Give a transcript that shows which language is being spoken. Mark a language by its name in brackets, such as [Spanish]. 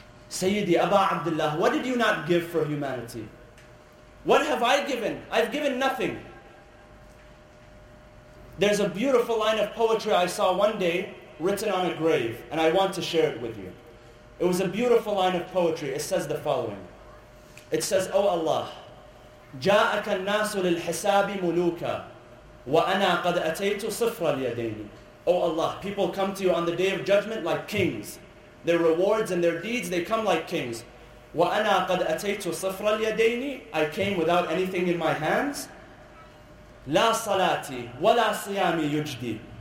[English] Sayyidi Aba Abdullah, what did you not give for humanity? What have I given? I've given nothing. There's a beautiful line of poetry I saw one day written on a grave, and I want to share it with you. It was a beautiful line of poetry. It says the following. It says, O Allah, [Arabic] جَاءَكَ النَّاسُ لِلْحِسَابِ مُلُوكَ وَأَنَا قَدْ أَتَيْتُ صِفْرَ الْيَدَيْنِ. [English] O Allah, people come to you on the day of judgment like kings. Their rewards and their deeds, they come like kings. [Arabic] وَأَنَا قَدْ أَتَيْتُ صِفْرَ الْيَدَيْنِ. [English] I came without anything in my hands. [Arabic] La salati wa la siyami yujdi.